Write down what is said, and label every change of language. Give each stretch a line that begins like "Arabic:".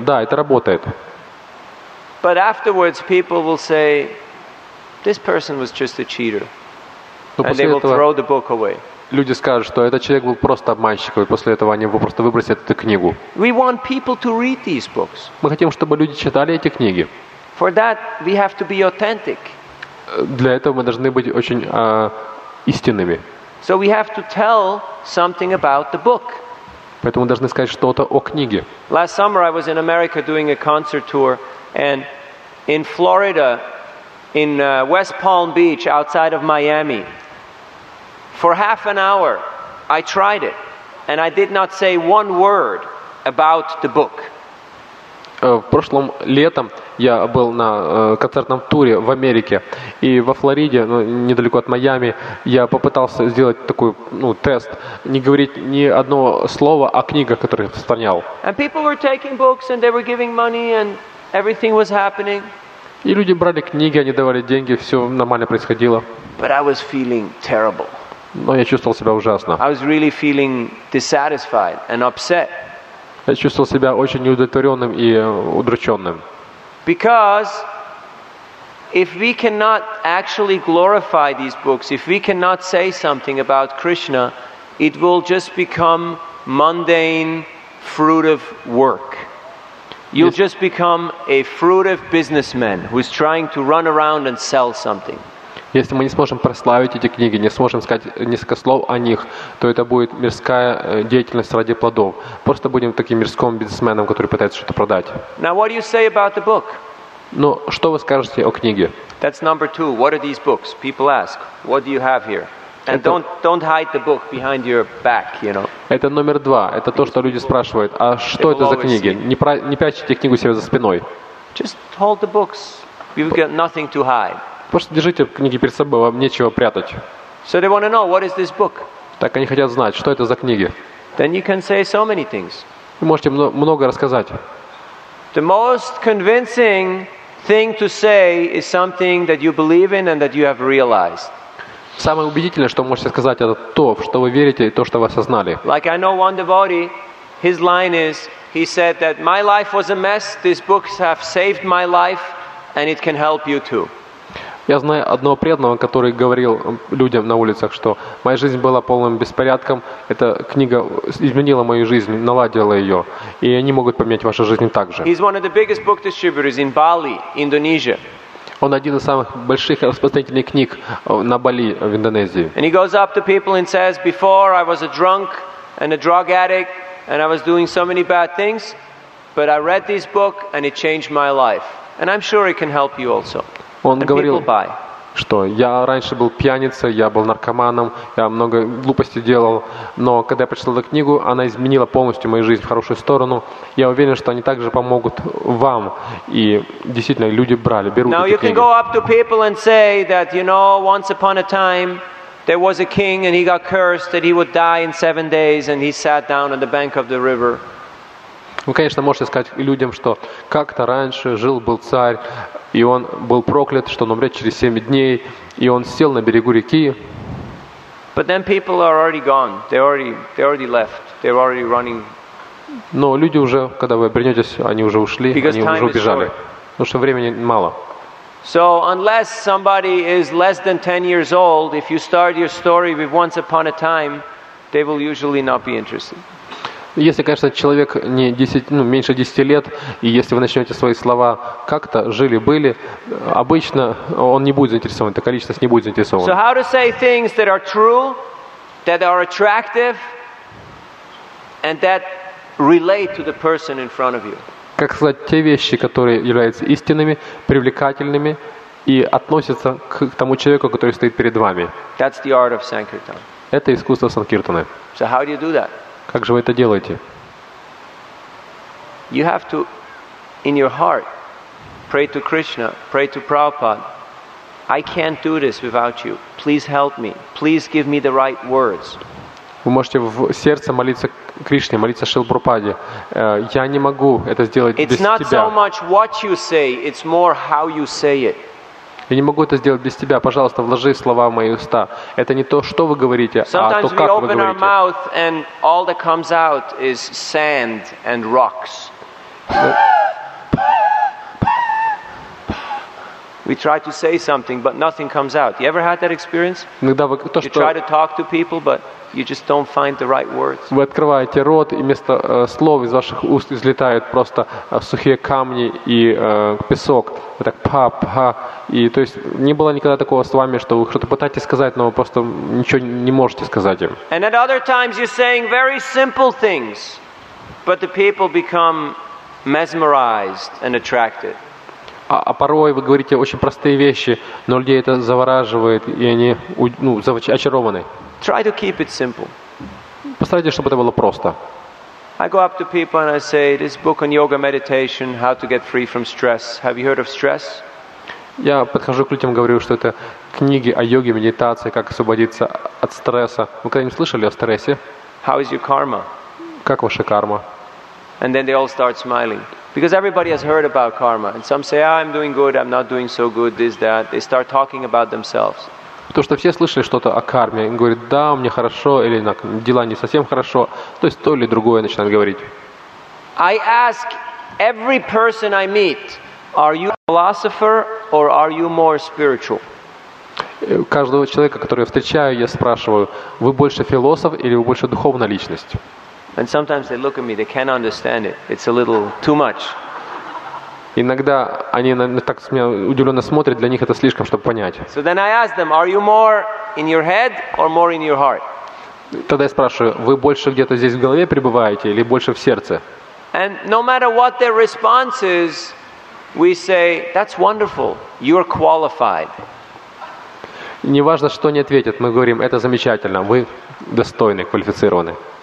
Russian: Да, это работает.
English: But afterwards people will say, this person was just a cheater. And they will throw the book away.
Russian: Люди скажут, что этот человек был просто обманщиком, и после этого они его просто выбросят эту книгу.
English: We want people to read these books.
Russian: Мы хотим, чтобы люди читали эти книги.
English: For that, we have to be authentic.
Russian: Для этого мы должны быть очень истинными.
English: So we have to tell something about the book.
Russian: Поэтому мы должны сказать что-то о книге.
English: Last summer I was in America doing a concert tour, and in Florida, in West Palm Beach, outside of Miami. For half an hour, I tried it, and I did not say one word about the book.
Russian: В прошлом летом я был на концертном туре в Америке, и во Флориде, недалеко от Майами, я попытался сделать такой тест, не говорить ни одно слово о книгах, которые распространял.
English: And people were taking books, and they were giving money, and everything was happening.
Russian: И люди брали книги, они давали деньги, все нормально происходило.
English: But I was feeling terrible.
Russian: Но я чувствовал себя ужасно.
English: I was really feeling dissatisfied and upset.
Russian: Я чувствовал себя очень неудовлетворенным и удрученным.
English: Because if we cannot actually glorify these books, if we cannot say something about Krishna, it will just become mundane, fruitive work. You'll just become a fruitive businessman who is trying to run around and sell something.
Russian: Если мы не сможем прославить эти книги, не сможем сказать несколько слов о них, то это будет мирская деятельность ради плодов. Просто будем таким мирским бизнесменом, который пытается что-то продать.
English: Now, what do you say about the book?
Russian: Ну, что вы скажете о книге?
English: That's number two. What are these books? People ask, what do you have here? And don't hide the book behind your back, you know.
Russian: Это номер два. Это то, что люди спрашивают. А что это за книги? Не прячьте книгу себе за спиной.
English: Just hold the books. You've got nothing to hide.
Russian: Просто держите книги перед собой, вам нечего прятать.
English: So they want to know, what is this book?
Russian: Так они хотят знать, что это за книги.
English: Then you can say so many things.
Russian: Вы можете много рассказать.
English: The most convincing thing to say is something that you believe in and that you have realized.
Russian: Самое убедительное, что вы можете сказать, это то, в что вы верите и то, что вы осознали.
English: Like I know one devotee, his line is, he said that my life was a mess, these books have saved my life and it can help you too.
Russian: Я знаю одного преданного, который говорил людям на улицах, что моя жизнь была полным беспорядком, эта книга изменила мою жизнь, наладила ее, и они могут поменять вашу жизнь так же.
English: He's one of the biggest book distributors in Bali, Indonesia.
Russian: Он один из самых больших распространителей книг на Бали, в Индонезии.
English: And he goes up to people and says, before I was a drunk, and a drug addict, and I was doing so many bad things, but I read this book and it changed my life. And I'm sure it can help you also.
Russian: Он говорил, что я раньше был пьяницей, я был наркоманом, я много глупостей делал, но когда я прочитал эту книгу, она изменила полностью мою жизнь в хорошую сторону. Я уверен, что они также помогут вам. И действительно, люди брали, берут эти книги.
English: Now you can go up to people and say that, you know, once upon a time there was a king and he got cursed that he would die in 7 days and he sat down on the bank of the river.
Russian: Вы, конечно, можете сказать людям, что как-то раньше жил-был царь, и он был проклят, что он умрет через 7 дней, и он сел на берегу реки.
English: But then people are already gone. They already left. They're already running.
Russian: Но люди уже, когда вы обернетесь, они уже ушли, они уже убежали. Потому что времени мало.
English: So unless somebody is less than 10 years old, if you start your story with once upon a time, they will usually not be interested.
Russian: Если, конечно, человек не 10, ну, меньше 10 лет, и если вы начнете свои слова как-то жили-были, обычно он не будет заинтересован, эта количество не будет заинтересован.
English: So how to say things that are true, that are attractive, and that relate to the person in front of you?
Russian: Как сказать те вещи, которые являются истинными, привлекательными и относятся к тому человеку, который стоит перед вами?
English: That's the art of Sankirtan.
Russian: Это искусство Санкиртаны.
English: So how do you do that?
Russian: Как же вы это делаете?
English: You have to, in your heart, pray to Krishna, pray to Prabhupada. I can't do this without you. Please help me. Please give me the right words.
Russian: Вы можете в сердце молиться Кришне, молиться Шрила Прабхупаде. Я не могу это сделать без тебя.
English: It's not so much what you say, it's more how you say it.
Russian: Я не могу это сделать без тебя. Пожалуйста, вложи слова в мои уста. Это не то, что вы говорите,
English: Sometimes
Russian: а то, как вы говорите.
English: Our mouth and all that comes out is sand and rocks. We try to say something, but nothing comes out. You ever had that experience? You try to talk to people, but you just don't find the right words.
Russian: Вы открываете рот, и вместо слов из ваших уст излетают просто сухие камни и песок. Вы так па-па. И то есть не было никогда такого с вами, что вы что-то пытаетесь сказать, но вы просто ничего не можете сказать им.
English: And at other times you're saying very simple things, but the people become mesmerized and attracted.
Russian: А порой вы говорите очень простые вещи, но людей это завораживает, и они очарованы.
English: Try to keep it simple.
Russian: Постарайтесь, чтобы это было просто.
English: I go up to people and I say, this book on yoga meditation, how to get free from stress. Have you heard of stress?
Russian: Я подхожу к людям и говорю, что это книги о йоге, медитации, как освободиться от стресса. Вы когда-нибудь слышали о стрессе?
English: How is your karma?
Russian: Как ваша карма?
English: And then they all start smiling. Because everybody has heard about karma. And some say, I'm doing good, I'm not doing so good, this, that. They start talking about themselves.
Russian: Потому что все слышали что-то о карме. Они говорят, да, у меня хорошо, или дела не совсем хорошо. То есть то или другое начинают говорить.
English: I ask every person I meet, are you a philosopher or are you more spiritual?
Russian: Каждого человека, которого я встречаю, я спрашиваю, вы больше философ или вы больше духовная личность?
English: And sometimes they look at me, they can't understand it. It's a little too much.
Russian: Иногда они так меня удивленно смотрят, для них это слишком, чтобы понять.
English: So then I ask them, are you more in your head or more in your heart?
Russian: Тогда я спрашиваю, вы больше где-то здесь в голове пребываете или больше в сердце?
English: And no matter what their response is, we say, that's wonderful, you're qualified.
Russian: Неважно, что они ответят, мы говорим, это замечательно, вы достойны, квалифицированы.